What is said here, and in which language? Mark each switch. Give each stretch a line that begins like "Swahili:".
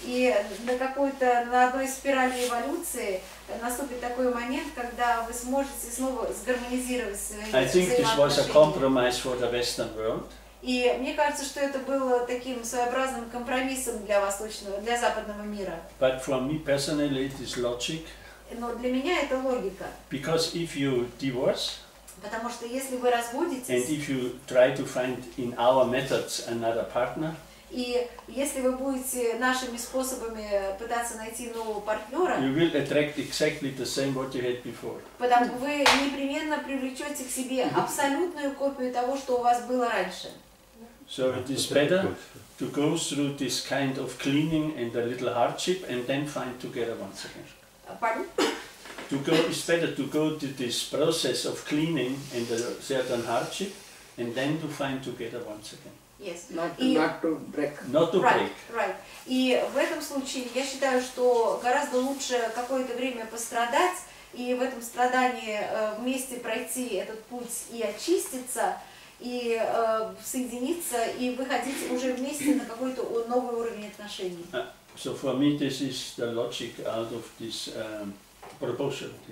Russian: И на какой-то, на одной спирали эволюции наступит такой момент, когда вы сможете снова сгармонизировать свои взаимоотношения.
English: I think this was a compromise for the Western world.
Russian: И мне кажется, что это было таким своеобразным компромиссом для восточного, для западного мира.
English: But for me personally, it is logic.
Russian: Но для меня это логика.
English: Because if you divorce.
Russian: Потому что если вы разводитесь.
English: And if you try to find in our methods another partner.
Russian: И если вы будете нашими способами пытаться найти нового партнера,
English: you will attract exactly the same what you had before.
Russian: Потому вы непременно привлечете к себе абсолютную копию того, что у вас было раньше.
English: So it is better to go through this kind of cleaning and a little hardship and then find together once again. Pardon? It's better to go through this process of cleaning and a certain hardship and then to find together once again. Yes. Not to break.
Russian: И в этом случае я считаю, что гораздо лучше какое-то время пострадать и в этом страдании вместе пройти этот путь и очиститься, и соединиться, и выходить уже вместе на какой-то новый уровень отношений.
English: So for me this is the logic out of this proposal.